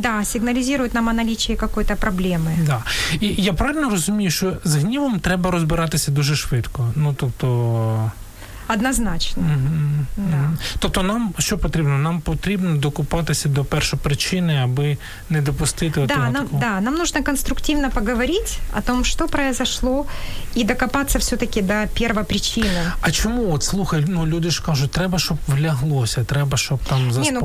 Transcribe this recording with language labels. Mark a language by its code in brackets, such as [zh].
[uk] Да, сигналізує нам [ru] о наличии какой-то [uk] проблеми. Да. І я правильно розумію, що з гнівом треба розбиратися дуже швидко. Ну, тобто однозначно. Угу. Да. Тобто нам що потрібно? Нам потрібно докопатися до першої причини, аби не допустити да, нам, такого. [ru] Да, нам нужно конструктивно поговорить о том, что произошло, и докопаться все-таки до первопричины. [uk] А чому? От слухай, ну люди ж кажуть, треба, щоб вляглося, треба, щоб там заспокоїти.